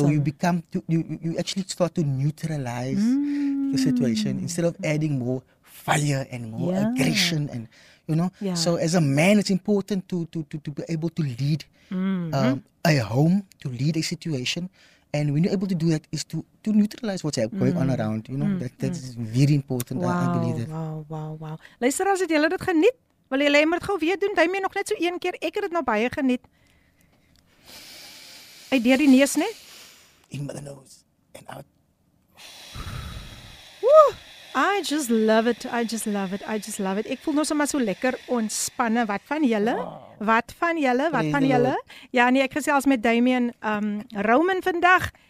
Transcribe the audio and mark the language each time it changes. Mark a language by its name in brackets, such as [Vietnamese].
[English] So you actually start to neutralize the situation instead of adding more fire and more aggression and... You know, so as a man, it's important to be able to lead a home, to lead a situation. And when you're able to do that, is to neutralize what's going on around. You know, that's very important. Wow, I believe that. Wow. [Afrikaans] Luister, as het julle dit geniet, wil julle hê moet gou weer doen, duim jy nog net so een keer. Ek het dit nou baie geniet. Uit deur die neus, net. [English] In by the nose and out. Woo! I just love it. [Afrikaans] Ek voel nou sommer so lekker ontspanne. Wat van julle? Wow. Wat van julle? Ja, nee, ek gesels met Damian Roman vandag.